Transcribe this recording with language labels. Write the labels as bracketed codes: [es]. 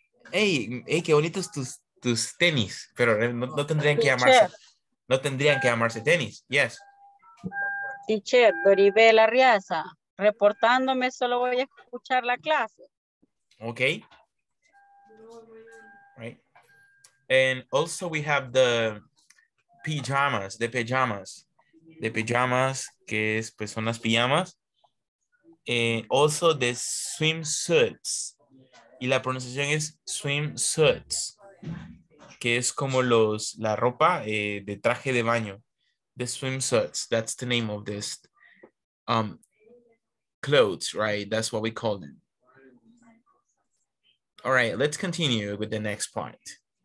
[es] Hey, qué bonitos tus tenis. Pero no tendrían que llamarse. No tendrían que llamarse tenis. Yes. Teacher, Doribel Arriaza, reportándome, solo voy a escuchar la clase. [en] Ok. Right. And also we have the pajamas, the pajamas. [es] The pajamas, que es, pues, son las pijamas. [en] Also the swimsuits. [es] Y la pronunciación es swimsuits. Que es como la ropa de traje de baño. [en] The swimsuits, that's the name of this clothes, right? That's what we call them. All right, let's continue with the next point.